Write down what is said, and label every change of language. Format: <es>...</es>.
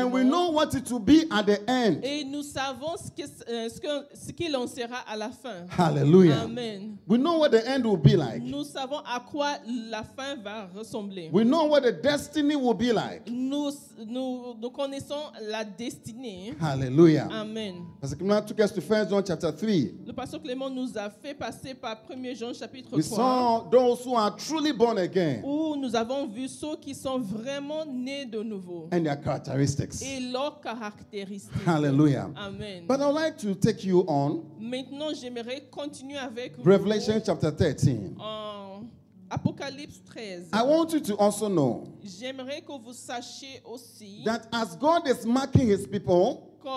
<en>And we know what it will be at the end.</en> <fr>Et nous savons ce qu'il en sera à la fin.</fr> <en>Hallelujah. Amen. We know what the end will be like.</en> <fr>Nous savons à quoi la fin va ressembler.</fr> <en>We know what the destiny will be like.</en> <fr>Nous connaissons la destinée.</fr> <en>Hallelujah. Amen. Pastor Clément took us to 1 John chapter 3.</en> <fr>Le pasteur Clément nous a fait passer par 1 Jean chapitre 3.</fr> <en>We saw those who are truly born again.</en> <fr>Où nous avons vu ceux qui sont vraiment nés de nouveau.</fr> <en>And their characteristics.</en> <fr>Et leurs caractéristiques.</fr> <en>Hallelujah. Amen. But I would like to take you on.</en> <fr>Maintenant, j'aimerais continuer avec</fr> <en>Revelation chapter 13.</en> <fr>Apocalypse 13.</fr> <en>I want you to also know.</en> <fr>J'aimerais que vous sachiez aussi.</fr> <en>That as God is marking his people.</en>